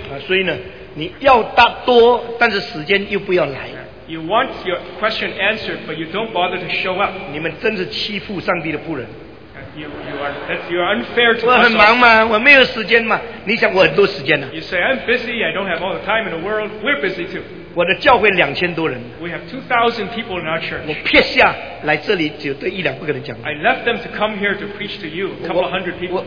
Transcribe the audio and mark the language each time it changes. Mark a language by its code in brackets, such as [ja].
[zh] 所以呢，你要答多，但是时间又不要来。 [en] You want your question answered, but you don't bother to show up. [zh] 你们真是欺负上帝的仆人。 [en] You are unfair to us. [zh] 我很忙嘛，我没有时间嘛，你想我很多时间呢。 [en] You say, I'm busy, I don't have all the time in the world. We're busy too. [zh] 我的教会2000多人。 [en] We have 2,000 people in our church. [zh] 我撇下来这里只有对一两个人讲。 [en] I left them to come here to preach to you, a couple hundred people.